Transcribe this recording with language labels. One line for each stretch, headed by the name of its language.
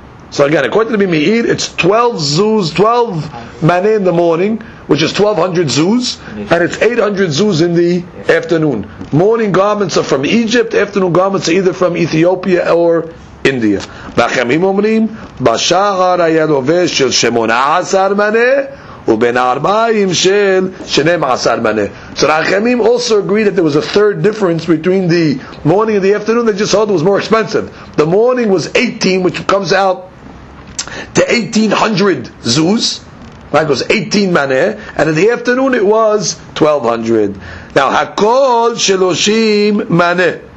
English: So again, according to the Bimeir, it's 12 zuz, 12 maneh in the morning, which is 1200 zuz, and it's 800 zuz in the afternoon. Morning garments are from Egypt, afternoon garments are either from Ethiopia or India.
Hebrew: והחמים אומרים, בשחר היה לובש של 18 מנה, ובין ארבעים של 12 מנה.
English: So the Achamim also agreed that there was a third difference between the morning and the afternoon. They just thought it was more expensive. The morning was 18, which comes out to 1800 zuz, right? It was 18 מנה, and in the afternoon it was 1200. Now,
Hebrew: הכל 30 מנה.